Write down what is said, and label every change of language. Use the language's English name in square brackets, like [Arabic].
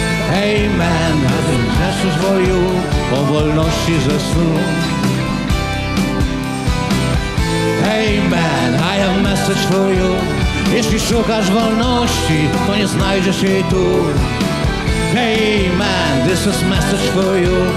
[English] Hey man, I have message for you. [Polish] O wolności ze snu. [English] Hey man, I have message for you. [Polish] Jeśli szukasz wolności, to nie znajdziesz jej tu. [English] Hey man, this is message for you.